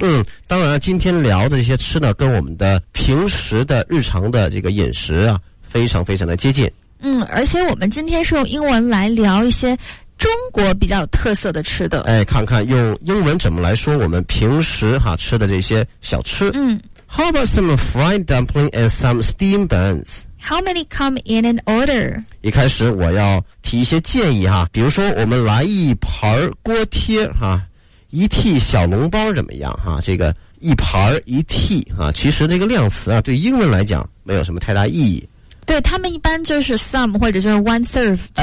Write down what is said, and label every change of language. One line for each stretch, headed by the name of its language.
Chinese: 嗯，当然今天聊的这些吃呢跟我们的平时的日常的这个饮食啊非常非常的接近。嗯，而且我们今天是用英文来聊一些中国比较特色的吃的。哎，看看用英文怎么来说我们平时哈吃的这些小吃。嗯，
English: How about some fried dumpling and some steamed buns? How many come in an order?
Chinese: 一开始我要提一些建议哈，比如说我们来一盘锅贴哈，一屉小笼包怎么样哈？这个一盘一屉啊，其实这个量词啊，对英文来讲没有什么太大意义。对，他们一般就是 some 或者就是
English: one serve
Chinese: 就、